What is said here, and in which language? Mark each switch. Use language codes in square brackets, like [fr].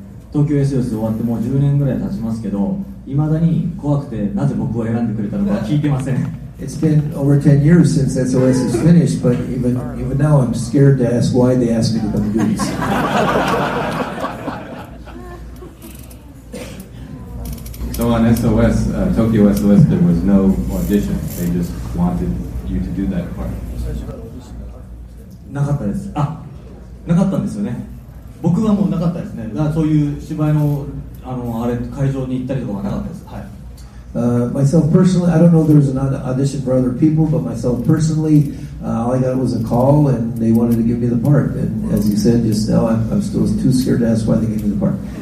[ja] Tokyo SOS 終わってもう10年ぐらい経ちますけど、いまだに怖くてなぜ僕を選んでくれたのか聞いてません。 [en] It's been over 10 years since SOS is finished, but even now I'm scared to ask why they asked me to come do this. So on SOS, Tokyo SOS, there was no audition. They just wanted you to do that part. [ja] なかったです。あ、なかったんですよね。僕はもうなかったですね。だからそういう芝居の、あれ、会場に行ったりとかはなかったです。はい。 [en] Myself personally, I don't know if there's an audition for other people, but myself personally, all I got was a call and they wanted to give me the part. And as you said just now, I'm still too scared to ask why they gave me the part.